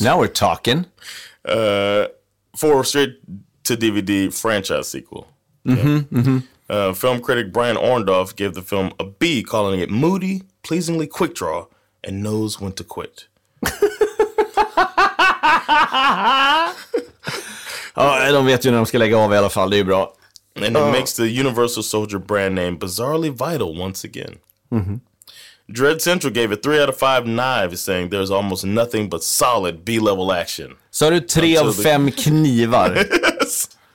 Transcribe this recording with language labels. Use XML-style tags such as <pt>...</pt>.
<en>Now we're talking. For a straight-to-DVD franchise sequel. Mm-hmm, yeah. Mm-hmm. Film critic Brian Orndorff gave the film a B, calling it moody, pleasingly quick draw, and knows when to quit.</en> <sv>Ja, de vet ju när de ska lägga av i alla fall, det är ju bra.</sv> <en>And it makes the Universal Soldier brand name bizarrely vital once again. Mm-hmm. Dread Central gave it 3 out of 5 knives, saying there's almost nothing but solid B-level action.</en> <sv>Så har du 3 av 5 knivar.</sv> <en>Yes.</en>